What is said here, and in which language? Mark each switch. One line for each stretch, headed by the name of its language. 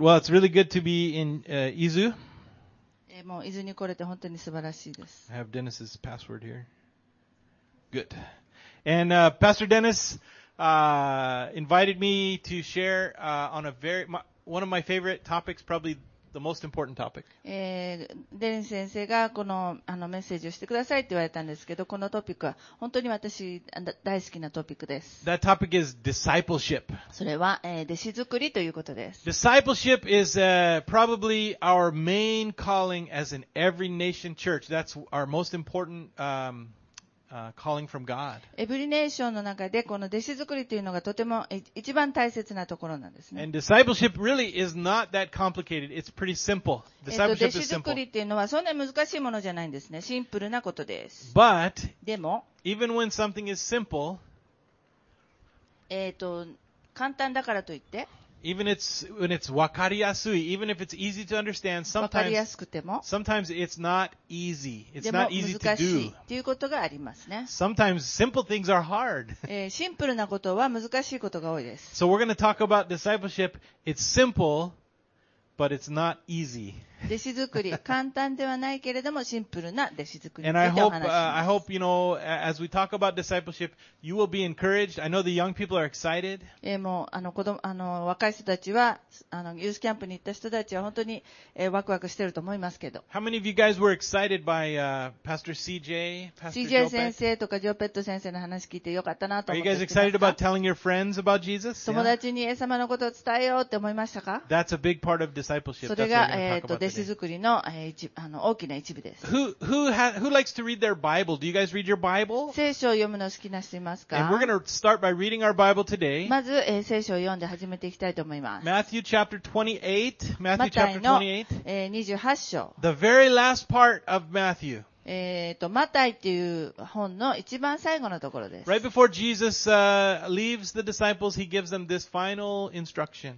English: Well, it's really good to be in Izu.
Japanese: もう伊豆に来れて本当に素晴らしいです。
English: I have Dennis's password here. Good. And Pastor Dennis invited me to share on a very one of my favorite topics, probably the most important topic.
Japanese: デニス先生がこの、あのメッセージをしてくださいって言われたんですけど、このトピックは本当に私大好きなトピックです。
English: That topic is discipleship.
Japanese: それは、弟子作りということです。
English: Discipleship is probably our main calling as an every nation church. That's our most important. Calling from God.
Japanese: Every nation の中でこの弟子作りというのがとても一番大切なところなんですね。
English: And discipleship really is not that complicated. It's pretty simple. Discipleship is simple.
Japanese: 弟子作りというのはそんなに難しいものじゃないんですね。シンプルなことです。
English: But,
Japanese: でも、
English: even when something is simple,
Japanese: 簡単だからといって、
English: even it's, when it's
Japanese: わかりやすい、
English: even if it's easy to understand, sometimes it's not easy. It's not easy to do.
Japanese: ということがありますね。
English: Sometimes simple things are hard.
Japanese: シンプルなことは難しいことが多いです。
English: So we're going to talk about discipleship. It's simple, but it's not easy.
Japanese: 弟子作り、簡単ではないけれどもシンプルな弟子作りについてお話します。
English: And I hope, you know, as we talk about discipleship, you will be encouraged. I know the young people are excited.
Japanese: もう、若い人たちは、ユースキャンプに行った人たちは本当に、ワクワクしてると思いますけど。
English: How many of you guys were excited by, Pastor CJ?
Japanese: CJ 先生とかジョペット先生の話聞いてよかったなと思って。
English: Are you guys excited about telling your friends about Jesus?
Japanese: 友達にイエス様のことを伝えようって思いましたか？
English: That's a big part of discipleship.
Japanese: それが、弟子作りの大きな一部です。
English: Who likes to read their Bible? Do you guys read your Bible?
Japanese: 聖書を読むの好きな人いますか？
English: And we're going to start by reading our Bible today.
Japanese: まず聖書を読んで始めていきたいと思います。
English: Matthew chapter 28. Matthew chapter 28.
Japanese: マタイの28章。
English: The very last part of Matthew.
Japanese: マタイっていう本の一番最後のところです。
English: Right before Jesus leaves the disciples, he gives them this final instruction.